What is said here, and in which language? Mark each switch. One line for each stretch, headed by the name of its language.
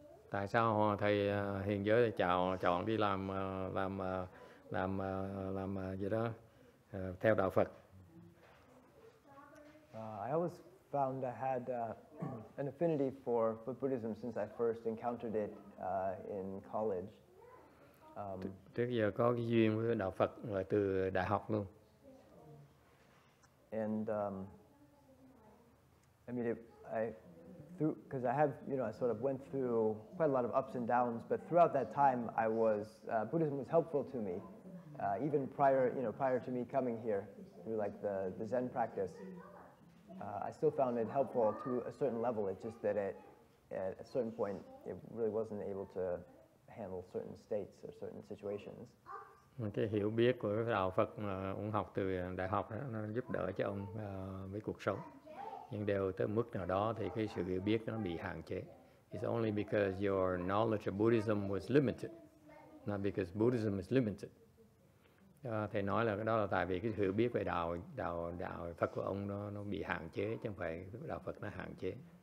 Vietnamese: Tại sao thầy Hiền giới chọn đi làm gì đó theo đạo Phật?
English: I always found I had an affinity for Buddhism since I first encountered it in college.
Vietnamese: Trước giờ có cái duyên với đạo Phật là từ đại học luôn.
English: And I mean, because I have, you know, I sort of went through quite a lot of ups and downs, but throughout that time, I was Buddhism was helpful to me, even prior, you know, prior to me coming here through like the Zen practice. I still found it helpful to a certain level. It's just that it, at a certain point, it really wasn't able to handle certain states or certain situations.
Vietnamese: Cái hiểu biết của đạo Phật mà ông học từ đại học đó, nó giúp đỡ cho ông với cuộc sống. Nhưng đều tới mức nào đó thì cái sự hiểu biết nó bị hạn chế.
English: It's only because your knowledge of Buddhism was limited, not because Buddhism is limited.
Vietnamese: Thầy nói là đó là tại vì cái hiểu biết về đạo Phật của ông nó bị hạn chế, chứ không phải đạo Phật nó hạn chế.